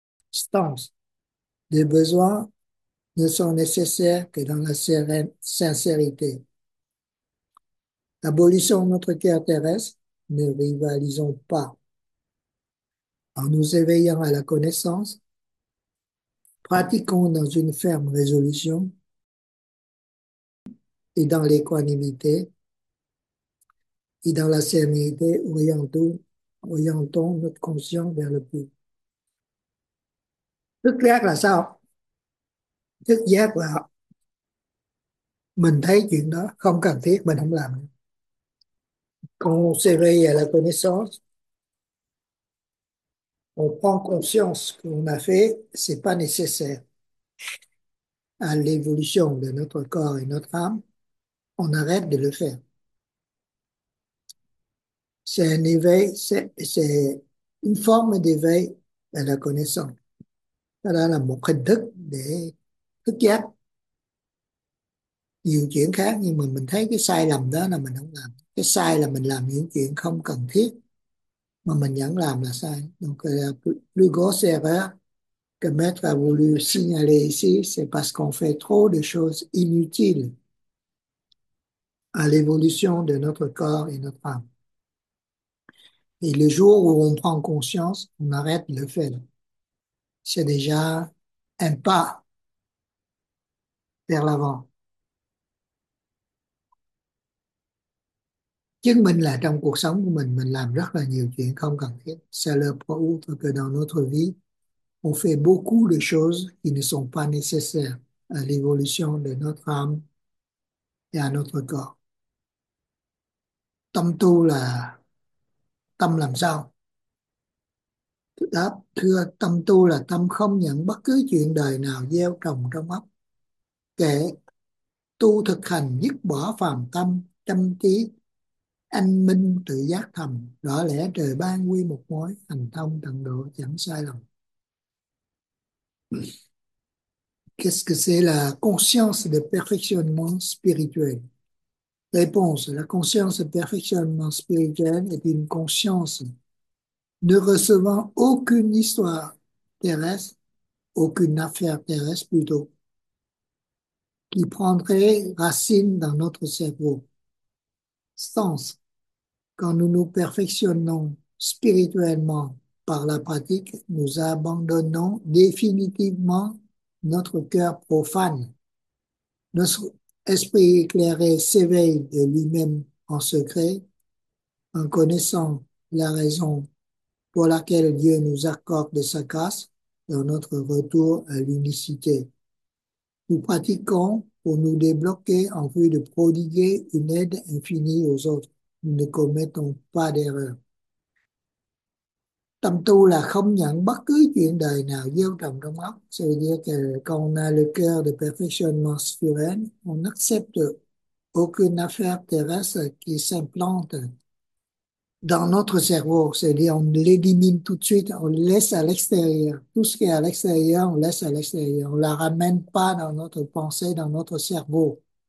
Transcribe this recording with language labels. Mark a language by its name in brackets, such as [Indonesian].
[French] Stance. Des besoins ne sont nécessaires que dans la sincérité. Abolissons notre cœur terrestre, ne rivalisons pas. En nous éveillant à la connaissance, pratiquons dans une ferme résolution et dans l'équanimité et dans la sérénité, orientons notre conscience vers le plus. [Vietnamese] Thức giác là sao? Thức giác là mình thấy chuyện đó không cần thiết, mình không làm. [French] Còn s'éveiller à la connaissance, on prend conscience qu'on a fait, ce n'est pas nécessaire à l'évolution de notre corps et notre âme, on arrête de le faire. C'est un éveil, c'est une forme d'éveil à la connaissance. Voilà là mon [Vietnamese] hình thức để thức giác. nhiều chuyện khác, nhưng mà mình thấy cái sai lầm đó là mình không làm. Cái sai là mình làm những chuyện không cần thiết mà mình vẫn làm là sai. [French] Donc Lugosi avait que maître a voulu signaler ici, c'est parce qu'on fait trop de choses inutiles à l'évolution de notre corps et notre âme. Et le jour où on prend conscience, on arrête de le faire. C'est déjà un pas vers l'avant. [Vietnamese] Chứng minh là trong cuộc sống của mình làm rất là nhiều chuyện không cần thiết. [French] C'est le point où que dans notre vie, on fait beaucoup de choses qui ne sont pas nécessaires à l'évolution de notre âme et à notre corps. [Vietnamese] Tâm tu là tâm làm sao? Đáp, thưa, tâm tu là tâm không nhận bất cứ chuyện đời nào gieo trồng trong óc. Kệ tu thực hành dứt bỏ phàm tâm, tâm trí, anh minh tự giác thầm, rõ lẽ trời ban quy một mối, hành thông tận độ chẳng sai lầm. [French] Qu'est-ce que c'est la conscience de perfectionnement spirituel? Réponse, la conscience de perfectionnement spirituel est une conscience ne recevant aucune histoire terrestre, aucune affaire terrestre plutôt, qui prendrait racine dans notre cerveau. Sens, quand nous nous perfectionnons spirituellement par la pratique, nous abandonnons définitivement notre cœur profane. Notre esprit éclairé s'éveille de lui-même en secret, en connaissant la raison pour laquelle Dieu nous accorde de sa grâce dans notre retour à l'unicité. Nous pratiquons pour nous débloquer en vue de prodiguer une aide infinie aux autres. Nous ne commettons pas d'erreur. [Vietnamese] Tâm tu là không nhận bất cứ chuyện đời nào gieo trồng trong óc. [French] C'est dire que quand on a le cœur de perfectionnement spirituel, on n'accepte aucune affaire terrestre qui s'implante dans notre cerveau. C'est dire on l'élimine tout de suite, on laisse à l'extérieur. Tout ce qui est à l'extérieur, on laisse à l'extérieur. On la ramène pas dans notre pensée, dans notre cerveau.